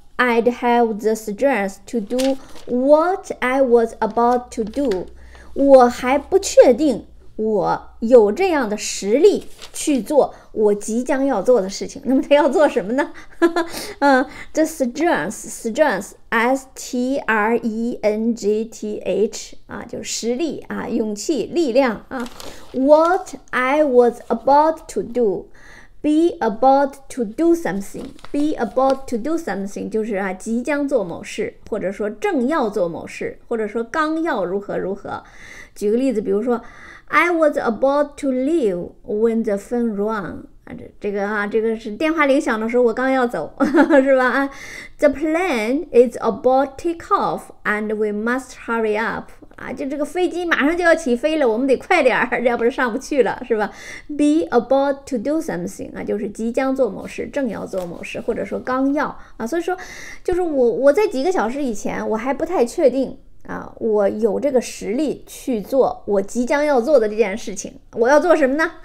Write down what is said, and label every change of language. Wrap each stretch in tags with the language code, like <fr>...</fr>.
<en>I'd have the strength to do what I was about to do.</en> <zh>我还不确定我有这样的实力去做我即将要做的事情。那么他要做什么呢？</zh> <en>The strength, strength, S-T-R-E-N-G-T-H, 啊，就是实力啊，勇气，力量啊。 What I was about to do, be about to do something, be about to do something, 就是啊，即将做某事，或者说正要做某事，或者说刚要如何如何。</en> <zh>举个例子，比如说 I was about to leave when the phone rang. 这个是电话铃响的时候，我刚要走，是吧？</zh> <en>The plane is about to take off and we must hurry up.</en> <zh>啊，就这个飞机马上就要起飞了，我们得快点儿，要不然上不去了，是吧？</zh> <en>Be about to do something.</en> <zh>啊，就是即将做某事，正要做某事，或者说刚要。啊，所以说，就是我在几个小时以前，我还不太确定。啊，我有这个实力去做我即将要做的这件事情，我要做什么呢？</zh>